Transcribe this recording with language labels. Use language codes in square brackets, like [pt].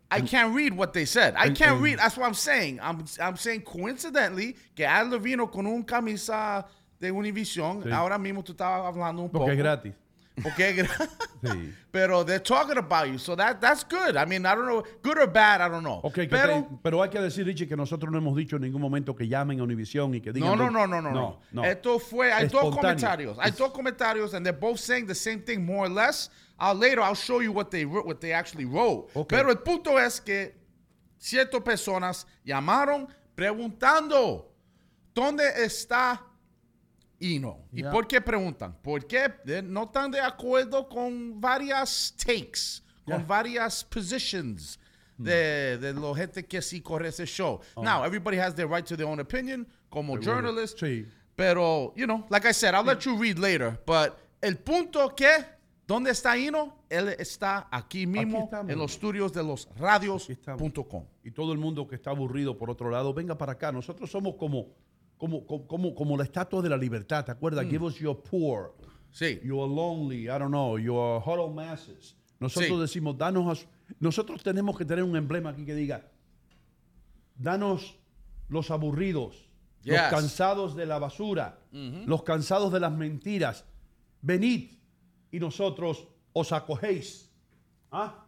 [en] I can't read what they said. I can't read. That's what I'm saying. I'm saying coincidentally [es] que Adler vino con un camisa... de Univision, sí. Ahora mismo tú estabas hablando un porque poco. Porque es gratis. Porque es gratis. Sí. Pero [en] they're talking about you, so that's good. I mean, I don't know, good or bad, I don't know. [es] Okay, pero hay que decir, Richie, que nosotros no hemos dicho en ningún momento que llamen a Univision y que digan... No. Esto fue, hay dos comentarios. Hay dos comentarios, [en] and they're both saying the same thing, more or less. Later, I'll show you what they actually wrote. Okay. [es] Pero el punto es que ciertas personas llamaron preguntando, ¿dónde está... Hino? [en] Yeah. [es] ¿Y por qué preguntan? Porque no están de acuerdo con varias takes, con varias positions de la gente que sí corre ese show. [en] Now, everybody has their right to their own opinion, [es] como [en] journalist. [es] Sí. Pero, [en] you know, like I said, I'll let you read later. But [es] el punto que, ¿dónde está Hino? Él está aquí mismo, aquí en los estudios de los radios.com. Y todo el mundo que está aburrido por otro lado, venga para acá. Nosotros somos como... Como la estatua de la libertad, ¿te acuerdas? [en] Mm. Give us your poor. [es] Sí. [en] You are lonely, I don't know, you are huddled masses. [es] Nosotros decimos, nosotros tenemos que tener un emblema aquí que diga, danos los aburridos, los cansados de la basura, los cansados de las mentiras. Venid y nosotros os acogéis. ¿Ah?